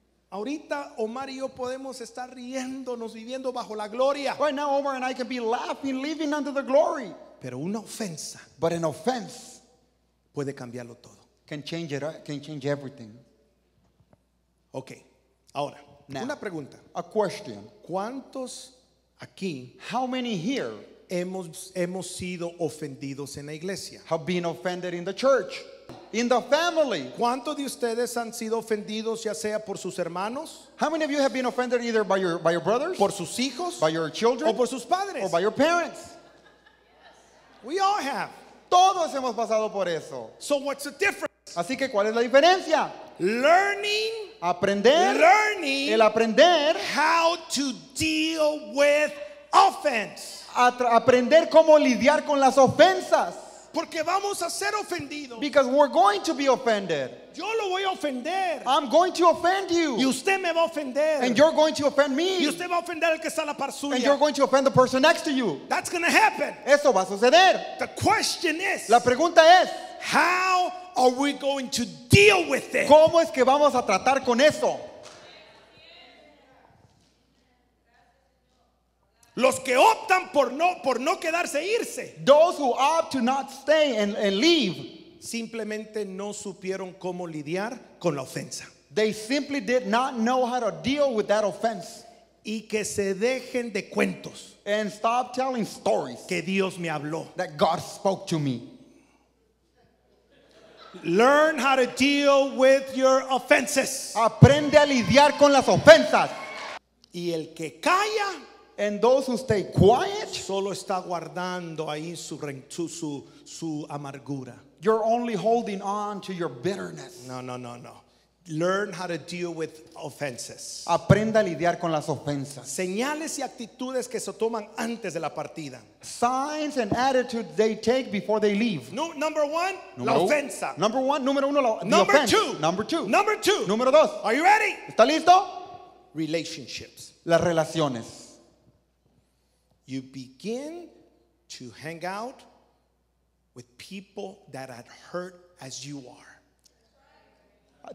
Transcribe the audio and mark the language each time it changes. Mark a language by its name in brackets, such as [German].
[Spanish] Ahorita Omar y yo podemos estar riéndonos, viviendo bajo la gloria. [English] Right now, Omar and I can be laughing, living under the glory. [Spanish] Pero una ofensa. [English] But an offense [Spanish] puede cambiarlo todo. [English] Can change everything. [Spanish] Okay. Ahora, [English] now, [Spanish] una pregunta. [English] A question. [Spanish] ¿Cuántos aquí? [English] How many here [Spanish] hemos sido ofendidos en la iglesia? [English] Have been offended in the church. In the family. [Spanish] ¿Cuántos de ustedes han sido ofendidos ya sea por sus hermanos? [English] How many of you have been offended either by your brothers? [Spanish] Por sus hijos? [English] By your children? [Spanish] O por sus padres? [English] Or by your parents? We all have. [Spanish] Todos hemos pasado por eso. [English] So what's the difference? [Spanish] Así que ¿cuál es la diferencia? [English] Learning. [Spanish] Aprender. [English] Learning. [Spanish] El aprender. [English] How to deal with offense. [Spanish] Aprender cómo lidiar con las ofensas. Porque vamos a ser ofendidos. [English] Because we're going to be offended. [Spanish] Yo lo voy a ofender. [English] I'm going to offend you. [Spanish] Y usted me va a ofender. [English] And you're going to offend me. [Spanish] Y usted va a ofender al que está a la par suya. [English] And you're going to offend the person next to you. That's going to happen. [Spanish] Eso va a suceder. [English] The question is, [Spanish] la pregunta es, [English] how are we going to deal with it? [Spanish] ¿Cómo es que vamos a tratar con eso? Los que optan por no quedarse e irse. [English] Those who opt to not stay and leave. [Spanish] Simplemente no supieron cómo lidiar con la ofensa. [English] They simply did not know how to deal with that offense. [Spanish] Y que se dejen de cuentos. [English] And stop telling stories. [Spanish] Que Dios me habló. [English] That God spoke to me. Learn how to deal with your offenses. [Spanish] Aprende a lidiar con las ofensas. Y el que calla. [English] And those who stay quiet, [Spanish] solo está guardando ahí su amargura. [English] You're only holding on to your bitterness. No. Learn how to deal with offenses. [Spanish] Aprenda a lidiar con las ofensas. Señales y actitudes que se toman antes de la partida. [English] Signs and attitudes they take before they leave. Number one, [Spanish] la ofensa. [English] Number two. Are you ready? [Spanish] ¿Está listo? [English] Relationships. [Spanish] Las relaciones. [English] You begin to hang out with people that are hurt as you are.